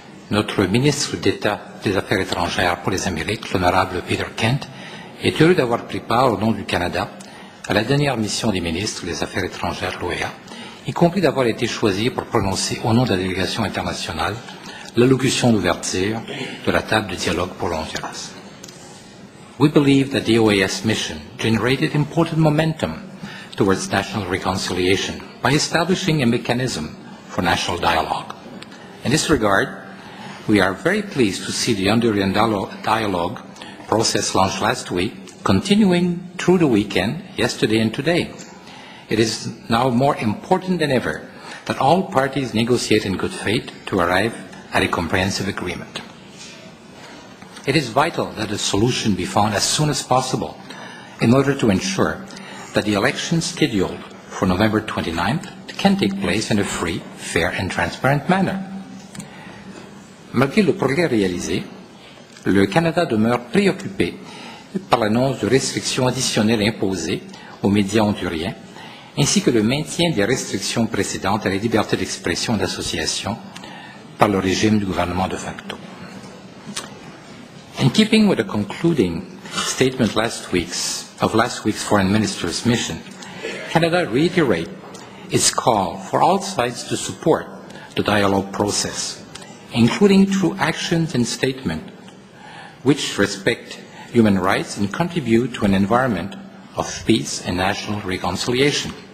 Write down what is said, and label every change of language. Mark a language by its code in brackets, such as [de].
[fr] Notre ministre d'État des Affaires étrangères pour les Amériques, l'honorable Peter Kent, est heureux d'avoir pris part au nom du Canada à la dernière mission des ministres des Affaires étrangères, l'OEA, y compris d'avoir été choisi pour prononcer au nom de la délégation internationale l'allocution d'ouverture de la table de dialogue pour l'Honduras. [en] We believe that the OAS mission generated important momentum towards national reconciliation by establishing a mechanism for national dialogue. In this regard, we are very pleased to see the Honduran dialogue process launched last week, continuing through the weekend, yesterday and today. It is now more important than ever that all parties negotiate in good faith to arrive at a comprehensive agreement. It is vital that a solution be found as soon as possible in order to ensure that the election scheduled for November 29th can take place in a free, fair and transparent manner. [fr] Malgré le progrès réalisé, le Canada demeure préoccupé par l'annonce de restrictions additionnelles imposées aux médias honduriens, ainsi que le maintien des restrictions précédentes à la liberté d'expression et d'association par le régime du gouvernement de facto. [en] In keeping with the concluding statement of last week's foreign minister's mission, Canada reiterate its call for all sides to support the dialogue process, including through actions and statements which respect human rights and contribute to an environment of peace and national reconciliation.